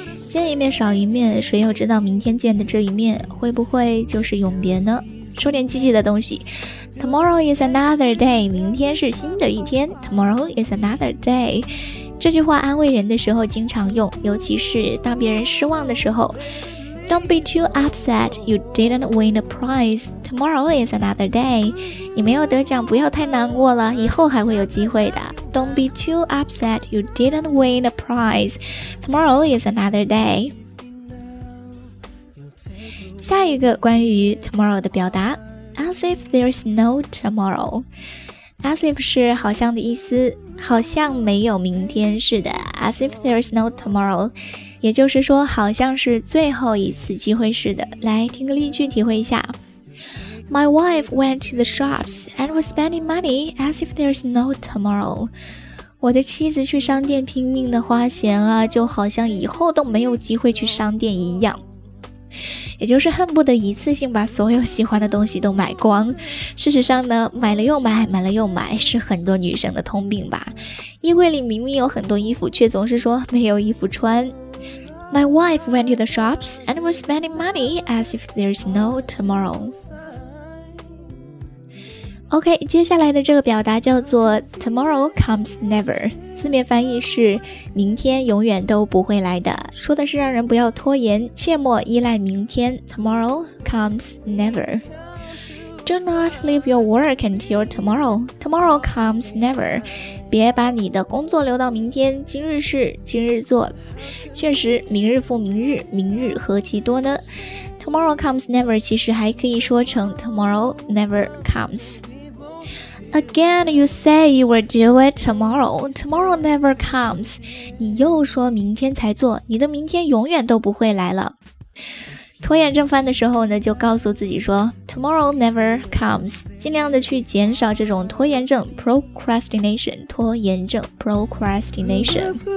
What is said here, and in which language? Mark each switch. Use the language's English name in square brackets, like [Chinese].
[Chinese] 见一面少一面，谁又知道明天见的这一面会不会就是永别呢？说点积极的东西， [English] Tomorrow is another day， [Chinese] 明天是新的一天， Tomorrow is another day， 这句话安慰人的时候经常用，尤其是当别人失望的时候。 [English] Don't be too upset you didn't win the prize， Tomorrow is another day， [Chinese] 你没有得奖不要太难过了，以后还会有机会的。 [English] Don't be too upset you didn't win a prize. Tomorrow is another day. [Chinese] 下一个关于 tomorrow 的表达， [English] As if there's no tomorrow. [Chinese] As if 是好像的意思，好像没有明天似的。 [English] As if there's no tomorrow， [Chinese] 也就是说好像是最后一次机会似的。来听个例句体会一下。 [English] My wife went to the shops and was spending money as if there's no tomorrow. [Chinese] 我的妻子去商店拼命的花钱啊，就好像以后都没有机会去商店一样。也就是恨不得一次性把所有喜欢的东西都买光。事实上呢，买了又买，买了又买，是很多女生的通病吧。衣柜里明明有很多衣服，却总是说没有衣服穿。 [English] My wife went to the shops and was spending money as if there's no tomorrow. [Chinese] OK, 接下来的这个表达叫做 [English] Tomorrow comes never, [Chinese] 字面翻译是明天永远都不会来的，说的是让人不要拖延，切莫依赖明天。 [English] Tomorrow comes never. Do not leave your work until tomorrow. Tomorrow comes never. [Chinese] 别把你的工作留到明天，今日事今日做。确实，明日复明日，明日何其多呢？ [English] Tomorrow comes never [Chinese] 其实还可以说成 [English] Tomorrow never comes. Again, you say you will do it tomorrow. Tomorrow never comes. [Chinese] 你又说明天才做，你的明天永远都不会来了。拖延症犯的时候呢，就告诉自己说 [English] Tomorrow never comes. [Chinese] 尽量的去减少这种拖延症 Procrastination 拖延症 Procrastination.